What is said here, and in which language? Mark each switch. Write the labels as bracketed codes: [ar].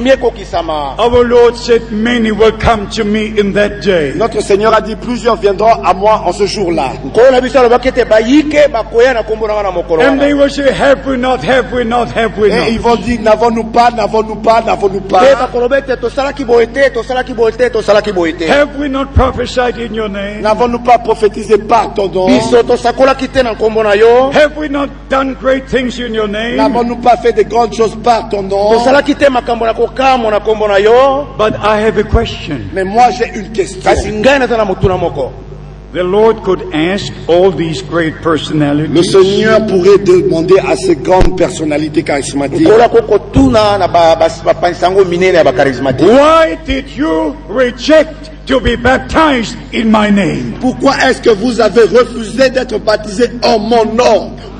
[en] Our Lord said many will come to me in that day. [fr] Notre Seigneur a dit plusieurs viendront à moi en ce jour-là. [en] And they will say, have we not? [fr] Et n'avons-nous pas? [en] Have we not prophesied in your name? [fr] N'avons-nous pas prophétisé par ton nom? [en] Have we not done great things in your name? [fr] N'avons-nous pas fait de grandes choses par ton nom? [en] But I have a question. [fr] Mais moi j'ai une question. [en] The Lord could ask all these great personalities. [fr] Le Seigneur pourrait demander à ces grandes personnalités charismatiques. [en] Why did you reject to be baptized in my name? [fr] Pourquoi est-ce que vous avez refusé d'être baptisé en mon nom?